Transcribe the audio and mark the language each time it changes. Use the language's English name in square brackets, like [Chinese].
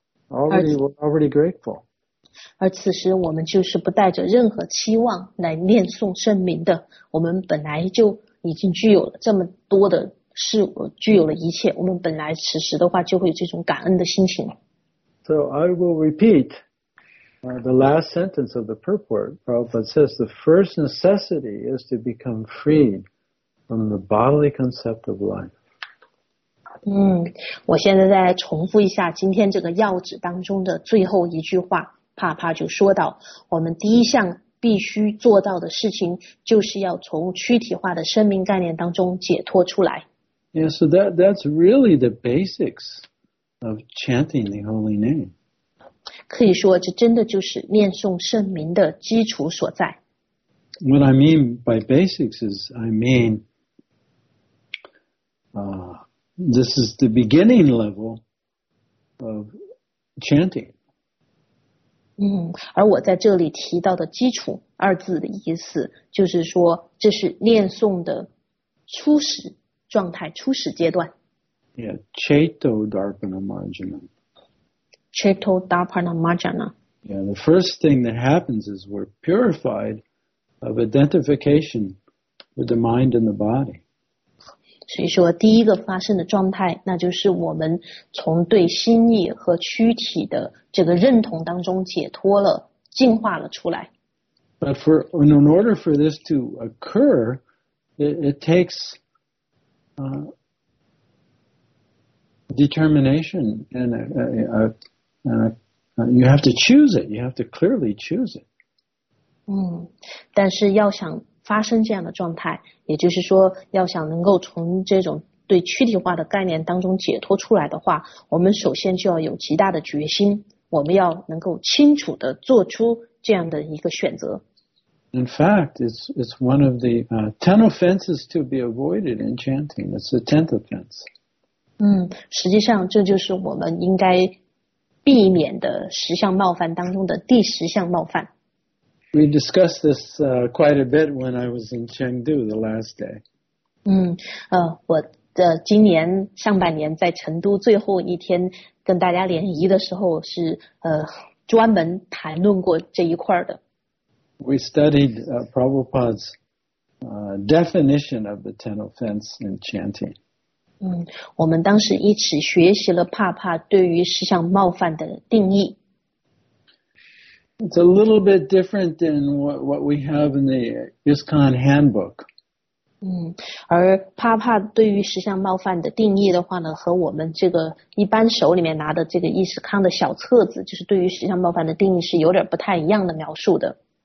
[English] Already, we're already grateful. [Chinese] 而此时我们就是不带着任何期望来念诵圣名的。我们本来就已经具有了这么多的事物，具有了一切。我们本来此时的话就会有这种感恩的心情。 [English] So I will repeat the last sentence of the purport. Prabhupada says the first necessity is to become freed from the bodily concept of life. [Chinese] 我现在再重复一下今天这个要旨当中的最后一句话，帕帕就说到，我们第一项必须做到的事情就是要从躯体化的生命概念当中解脱出来。 [English] Yeah, so that's really the basics of chanting the holy name. [Chinese] 可以说这真的就是念诵圣名的基础所在。 [English] What I mean by basics is I mean This is the beginning level of chanting. [Chinese] 而我在这里提到的基础二字的意思就是说这是念诵的初始状态，初始阶段。 [Sanskrit] Yeah, Chaito Dharpana Marjana. Chaito Dharpana Marjana. [English] Yeah, the first thing that happens is we're purified of identification with the mind and the body. [Chinese] 所以说第一个发生的状态那就是我们从对心意和躯体的这个认同当中解脱了，进化了出来。 [English] But for, in order for this to occur, it takes determination and you have to choose it, you have to clearly choose it. 但是要想发生这样的状态，也就是说要想能够从这种对躯体化的概念当中解脱出来的话，我们首先就要有极大的决心，我们要能够清楚地做出这样的一个选择。 In fact, it's one of the 10 offenses to be avoided in chanting. It's the 10th offense. [Chinese] 实际上这就是我们应该避免的十项冒犯当中的第十项冒犯。 [English] We discussed this quite a bit when I was in Chengdu the last day. [Chinese] 我的今年上半年在成都最后一天跟大家联谊的时候是专门谈论过这一块的。 [English] We studied Prabhupada's definition of the ten offense in chanting. [Chinese] 我们当时一起学习了帕帕对于十项冒犯的定义。 [English] It's a little bit different than what we have in the ISKCON handbook. [Chinese] 而帕帕对于十项冒犯的定义的话呢，和我们这个一般手里面拿的这个伊斯康的小册子，就是对于十项冒犯的定义是有点不太一样的描述的。